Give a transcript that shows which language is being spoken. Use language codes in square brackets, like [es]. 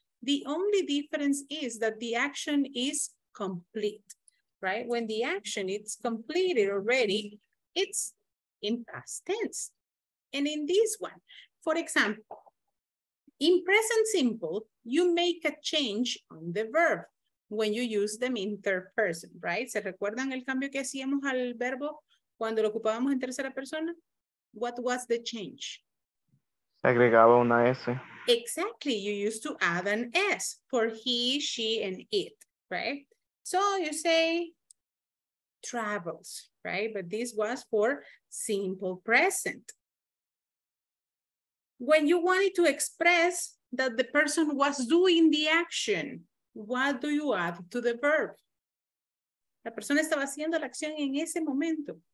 [en] The only difference is that the action is complete, right? When the action is completed already, it's in past tense. And in this one, for example, in present simple, you make a change on the verb when you use them in third person, right? [es] ¿Se recuerdan el cambio que hacíamos al verbo cuando lo ocupábamos en tercera persona? [en] What was the change? [es] Agregaba una S. [en] Exactly, you used to add an S for he, she, and it, right? So you say travels, right? But this was for simple present. When you wanted to express that the person was doing the action, what do you add to the verb? [es] La persona estaba haciendo la acción en ese momento.